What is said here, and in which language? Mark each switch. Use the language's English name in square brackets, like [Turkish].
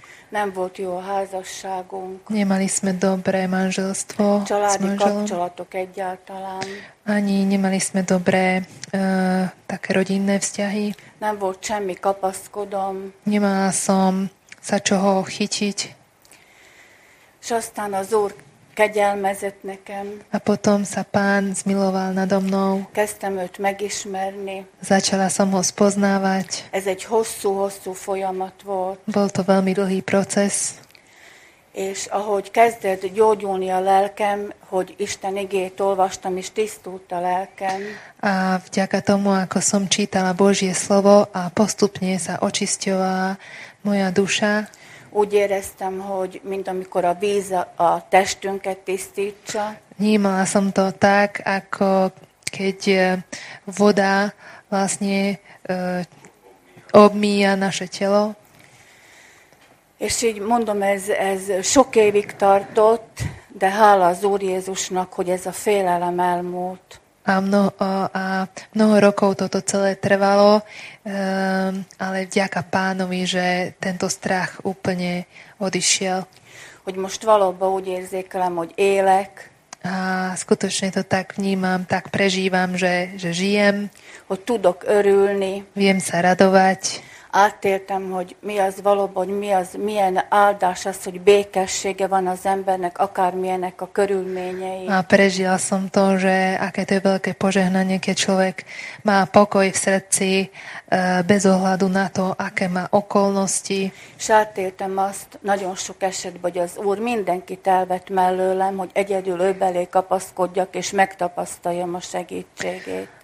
[Hungarian] Nem volt jó házasságunk. [Slovak] Nemali sme dobré manželstvo. [Hungarian] Családi kapcsolatok egyáltalán. [Slovak] Ani nemali sme dobré také rodinné vzťahy. [Hungarian] Nem volt semmi kapaszkodom. [Slovak] Nemala som sa čoho chytiť. [Hungarian] És aztán az Úr kegyelmezett nekem. [Slovak] A potom sa Pán zmiloval nado mnou. [Hungarian] Kezdtem őt megismerni. [Slovak] Začala som ho spoznávať. [Hungarian] Ez egy hosszú-hosszú folyamat volt. [Slovak] Bol to veľmi dlhý proces. [Hungarian] És ahogy kezdett gyógyulni a lelkem, hogy Isten igét olvastam, és tisztult a lelkem. [Slovak] A vďaka tomu, ako som čítala Božie slovo a postupne sa očisťovala moja duša, [Hungarian] úgy éreztem, hogy mint amikor a víz a testünket tisztítsa. [Slovak] Nímala som to tak, ako keď voda vlastne obmýja naše telo. [Hungarian] És így mondom, ez sok évig tartott, de hála az Úr Jézusnak, hogy ez a félelem elmúlt. [Slovak] A mnoho rokov toto celé trvalo, ale vďaka Pánovi, že tento strach úplne odišiel. [Hungarian] Hogy most valóban úgy érzékelem, hogy élek. [Slovak] A skutočne to tak vnímam, tak prežívam, že žijem. [Hungarian] Hogy tudok örülni. [Slovak] Viem sa radovať. [Hungarian] Átéltem, hogy mi az valóban, hogy mi az, milyen áldás az, hogy békessége van az embernek, akármilyenek a körülményei. [Slovak] A prežila som to, že aké to je veľké požehnanie, keď človek má pokoj v srdci, bez ohľadu na to, aké má okolnosti. [Hungarian] S átéltem azt nagyon sok esetben, hogy az Úr mindenkit elvett mellőlem, hogy egyedül ő belé kapaszkodjak, és megtapasztaljam a segítségét.